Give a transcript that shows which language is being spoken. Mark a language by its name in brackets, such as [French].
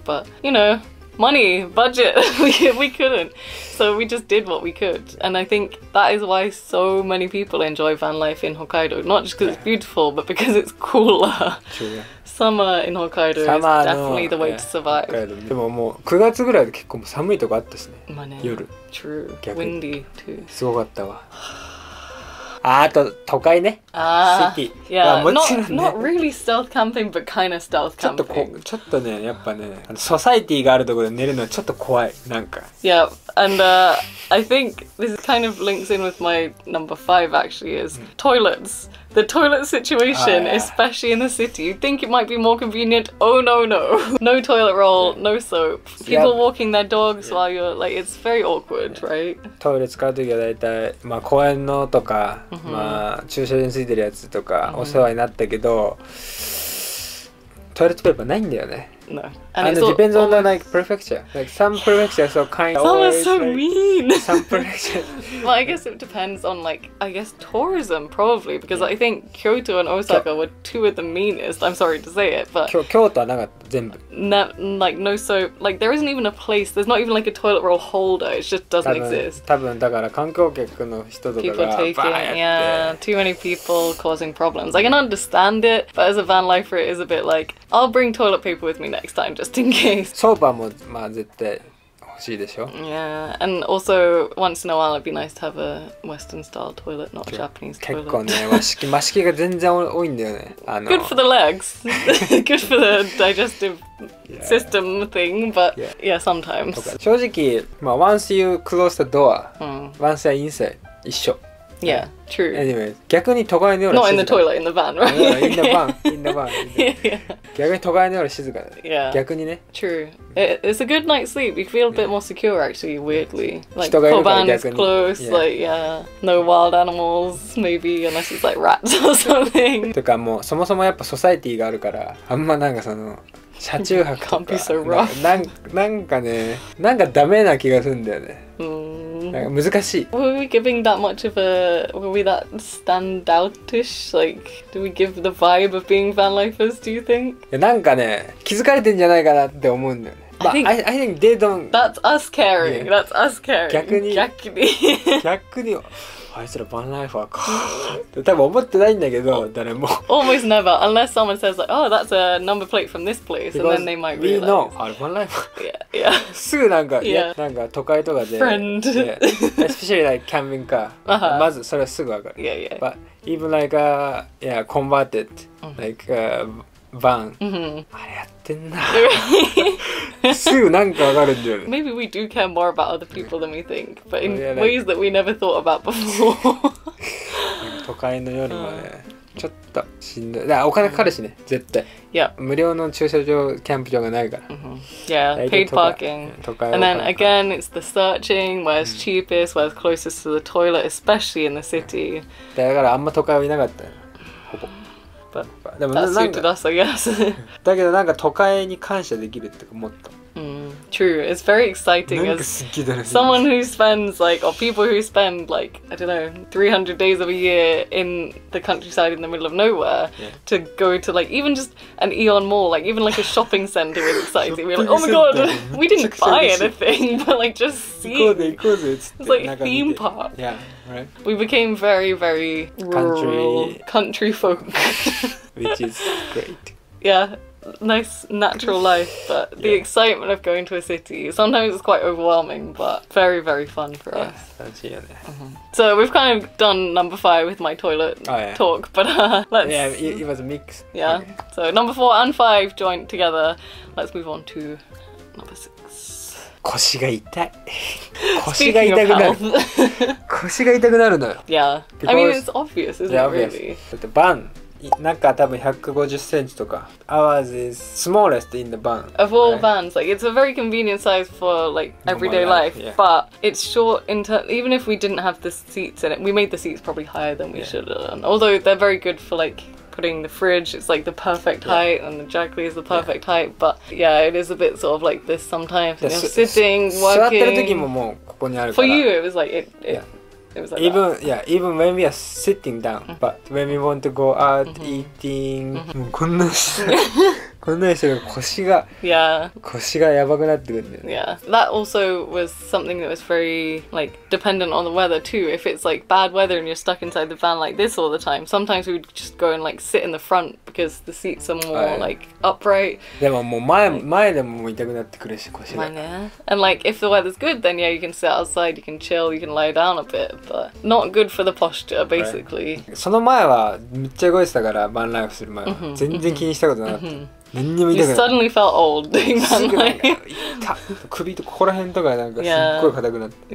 [English] But, you know, money, budget, we couldn't. So we just did what we could. And I think that is why so many people enjoy van life in Hokkaido. Not just because it's beautiful, but because it's cooler. True. Summer in Hokkaido is definitely the way to survive. [Japanese] でももう9月ぐらいで結構寒いとこあったしね。夜。 [English] True. Windy too. [Japanese] すごかったわ。あと都会ね。 [English] Not really stealth camping, but kind of stealth camping. [Japanese] ちょっとね、やっぱね、ソサイティがあるところで寝るのはちょっと怖い、なんか。 [English] Yeah, and I think this kind of links in with my number 5 actually is toilets. The toilet situation, especially in the city, you think it might be more convenient. Oh no, no. No toilet roll, no soap. People walking their dogs while you're like, it's very awkward, right? [Japanese] トイレ使うときは大体、まあ公園のとか、まあ駐車場についてるやつとかお世話になったけど、トイレットペーパーないんだよね。 [English] No. And it depends on the like prefecture. Like some prefectures are kind of always, are so like, mean. Some prefectures. Well, I guess it depends on like, I guess tourism probably, because I think Kyoto and Osaka were two of the meanest. I'm sorry to say it, but [Japanese] Kyoto はなかった全部 [English] like no soap. Like there isn't even a place. There's not even like a toilet roll holder. It just doesn't exist. [Japanese] 多分だから観光客の人とかが [English] people taking, too many people causing problems. I can understand it, but as a van lifer, it is a bit like, I'll bring toilet paper with me. Next time, just in case. [Japanese] Soap もまあ絶対欲しいでしょ。 [English] Yeah, and also once in a while, it'd be nice to have a Western-style toilet, not a Japanese toilet. [Japanese] 結構ね、和式が全然多いんだよね。 [English] Good for the legs. Good for the digestive system thing, but yeah, sometimes. [Japanese] 正直、まあ [English] once you close the door, once you're inside, [Japanese] 一緒。 [English] Yeah, true. [Japanese] Anyway, 逆に都会の夜は静か。 [English] Not in the toilet, in the van, right? In the van. [Japanese] 逆に都会の夜は静かだ。 [English] Yeah. [Japanese] 逆にね。 [English] True. It's a good night's sleep. You feel a bit more secure, actually, weirdly. Like, the van is close, like, yeah. No wild animals, maybe, unless it's like rats or something. [Japanese] とかもう、そもそもやっぱソサエティがあるから、あんまなんかその、車中泊とか。 [English] Can't be so rough. [Japanese] なんかね、なんかダメな気がするんだよね。難しい。 [English] Were we giving that much of a... Were we that standout-ish? Like, do we give the vibe of being van lifers, do you think? [Japanese] なんかね、気づかれてんじゃないかなって思うんだよね。 [English] I think they don't... That's us caring. Yeah. That's us caring. [Japanese] 逆に。あいつらバンライファーか。多分思ってないんだけど、誰も。 [English] Almost never, unless someone says like, oh, that's a number plate from this place, and then they might realize. We know, [Japanese] あれバンライファ [English] ー。 Yeah. [Japanese] すぐなんか、なんか都会とかで。 [English] Friend. Especially like camping car. [Japanese] まずそれはすぐわかる。 [English] Yeah. But even like a, converted, like a van. [Japanese] あれやってんな。すぐなんかわかるんだよね。 [English] Maybe we do care more about other people than we think, but in ways that we never thought about before. [Japanese] 都会の夜はね。ちょっとしんどい。だお金かかるしね、絶対。 [English] Yep. [Japanese] 無料の駐車場、キャンプ場がないから。 [English] Mm-hmm. Yeah, paid parking. And then again, it's the searching, where's cheapest, where's closest to the toilet, especially in the city. [Japanese] だからあんま都会はいなかったよ。ほぼ。 [English] でも that suited us, I guess. [Japanese] だけどなんか都会に感謝できるってか、もっと。 [English] True, it's very exciting as someone who spends like, or people who spend like, I don't know, 300 days of a year in the countryside in the middle of nowhere、yeah. to go to like, even just an Aeon mall, like even like a shopping center is exciting. We're like, oh my god, we didn't buy anything, but like just seeing. It's like a theme park. Yeah, right. We became very, very rural, country folk. Which is great. Yeah. Nice natural life, but the、yeah. excitement of going to a city sometimes it's quite overwhelming, but very, very fun for yeah, us.、So, we've kind of done number five with my toilet、 oh, yeah. talk, but、let's. Yeah, it was a mix. Yeah,、okay. so number four and five joined together. Let's move on to number six. [Japanese] 腰が痛い。腰が痛くなる。腰が痛くなるのよ。 [English] Yeah. Because, I mean, it's obvious, isn't it, really? [Japanese] だってバン、なんか多分150センチとか。 [English] Ours is smallest in the van. Of all、right? vans, like, it's a very convenient size for, like, everyday life. Yeah. But it's short in terms, even if we didn't have the seats in it, we made the seats probably higher than we、yeah. should have done. Although they're very good for, like,putting the fridge, it's like the perfect、yeah. height and the jackley is the perfect、yeah. height, but yeah, it is a bit sort of like this sometimes, you know, sitting, working. [Japanese] 座ってる時ももうここにあるから [English] For you, it was like, it,、yeah. it was like even, that. Yeah, even when we are sitting down,、mm-hmm. but when we want to go out,、mm-hmm. eating,、mm-hmm. [Japanese] もうこんなにして、こんなにして腰が、 [English] yeah. [Japanese] 腰がやばくなってくるんだよね。 [English] Yeah, that also was something that was very, like,dependent on the weather too. If it's like bad weather and you're stuck inside the van like this all the time, sometimes we'd just go and like sit in the front because the seats are more、oh, yeah. like upright. [Japanese] でももう前、前でも痛くなってくるし腰が。前ね。 [English] And like if the weather's good, then yeah, you can sit outside, you can chill, you can lie down a bit, but not good for the posture, basically.、 Right. [Japanese] その前はめっちゃ動いてたから、バンライフする前は。全然気にしたことなかった。 [English] You suddenly felt old doing that. [Japanese] Like, 首とここら辺とかなんかすっごい硬くなって。